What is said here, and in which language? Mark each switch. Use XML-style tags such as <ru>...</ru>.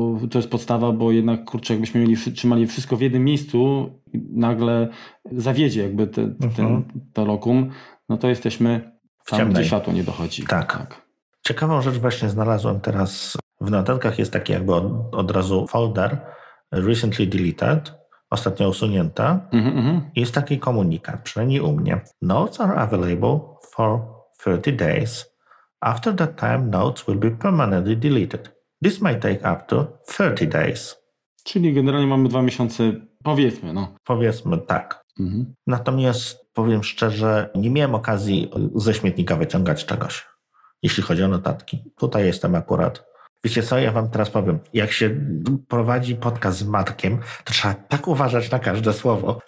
<pl>To jest podstawa, bo jednak kurczę, jakbyśmy trzymali wszystko w jednym miejscu, nagle zawiedzie jakby to lokum, no to jesteśmy tam, gdzie światło nie dochodzi. Tak. Ciekawą rzecz właśnie znalazłem teraz. W notatkach jest taki jakby od razu folder</pl> <en>recently deleted,</en> <pl>ostatnio usunięta. Jest taki komunikat, przynajmniej u mnie.</pl> <en>Notes are available for 30 days. After that time, notes will be permanently deleted. This might take up to 30 days.</en> <pl>Czyli generalnie mamy 2 miesiące, powiedzmy. Powiedzmy, tak. Natomiast powiem szczerze, nie miałem okazji ze śmietnika wyciągać czegoś, jeśli chodzi o notatki. Tutaj jestem akurat. Wiecie co, ja wam teraz powiem. Jak się prowadzi podcast z Matkiem, to trzeba tak uważać na każde słowo.</pl>